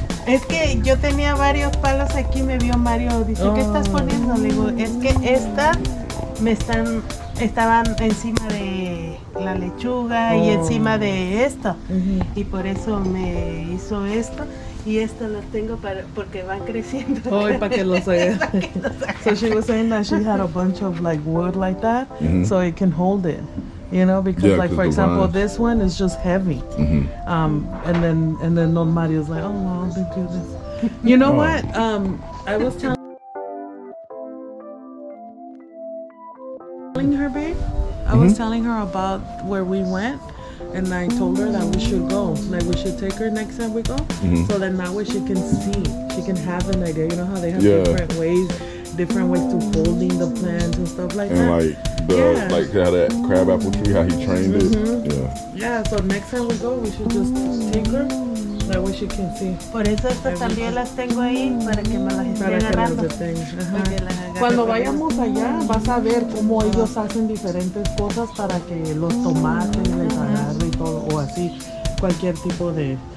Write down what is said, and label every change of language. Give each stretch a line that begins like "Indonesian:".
Spanish: Es que yo tenía varios palos aquí, me vio Mario. Dice, ¿qué estás poniendo? Le digo, es que esta me están. Estaban encima de la lechuga y encima de esto. Uh-huh. Y por eso me hizo esto. Y esto lo tengo para porque van creciendo. Oh, para que lo sea.
English: So she was saying that she had a bunch of like wood like that, so it can hold it. You know, because yeah, like for example, vines. This one is just heavy. Mm-hmm. And then Don Mario's like, oh, well, I'll do this. You know what? I was telling. I was telling her about where we went, and I told her that we should go. Like, we should take her next time we go, so then that way she can see. She can have an idea. You know how they have different ways to holding the plants and stuff like and that? And, like, like how that crab apple tree, how he trained it. Yeah, so next time we go, we should just take her. That way she can see.
Spanish: Por eso estas también las tengo ahí, para que me las estén agarrando. Para que las agarren. Cuando vayamos allá, vas a ver cómo ellos hacen diferentes cosas para que los tomates les agarre y todo, o así, cualquier tipo de.